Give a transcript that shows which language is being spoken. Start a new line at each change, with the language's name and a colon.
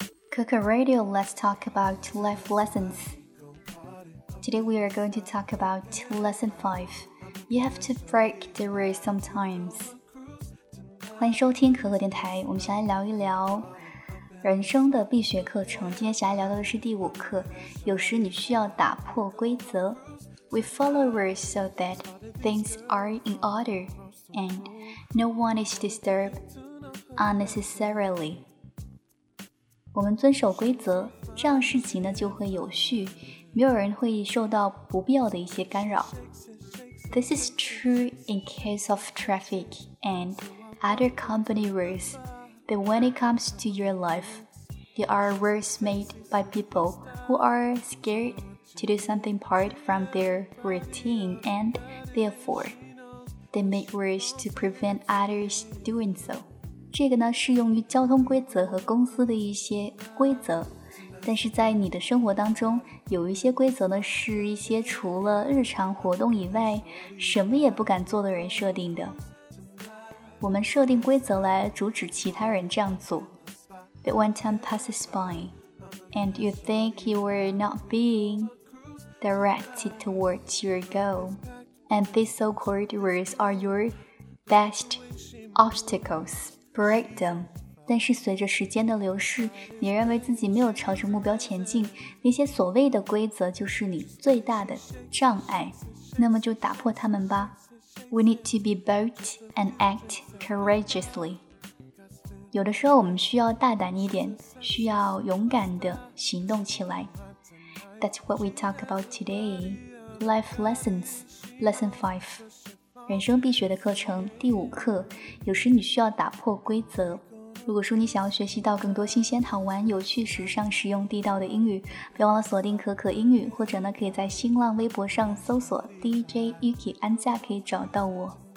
English: Cuckoo Radio, let's talk about life lessons. Today we are going to talk about lesson 5. You have to break the rules sometimes.
Chinese: 欢迎收听可可电台，我们先来聊一聊人生的必学课程。今天先来聊到的是第五课，有时你需要打破规则。
English: We follow rules so that things are in order and no one is disturbed unnecessarily.
Chinese: 我们遵守规则，这样事情呢就会有序，没有人会受到不必要的一些干扰。
English: This is true in case of traffic and other company rules, but when it comes to your life, there are rules made by people who are scared to do something apart from their routine and therefore, they make rules to prevent others doing so.
Chinese: 这个呢适用于交通规则和公司的一些规则，但是在你的生活当中有一些规则呢是一些除了日常活动以外什么也不敢做的人设定的。我们设定规则来阻止其他人这样做。
English: But when time passes by and you think you were not being directed towards your goal and these so-called rules are your best obstaclesBreak them.
Chinese: 但是随着时间的流逝，你认为自己没有朝着目标前进，那些所谓的规则就是你最大的障碍，那么就打破它们吧。
English: We need to be bold and act courageously.
Chinese: 有的时候我们需要大胆一点，需要勇敢地行动起来。
English: That's what we talk about today. Life lessons, lesson 5.
Chinese: 人生必学的课程第五课，有时你需要打破规则。如果说你想要学习到更多新鲜、好玩、有趣、时尚、实用、地道的英语，别忘了锁定可可英语，或者呢，可以在新浪微博上搜索 DJ Yuki 安夏，可以找到我。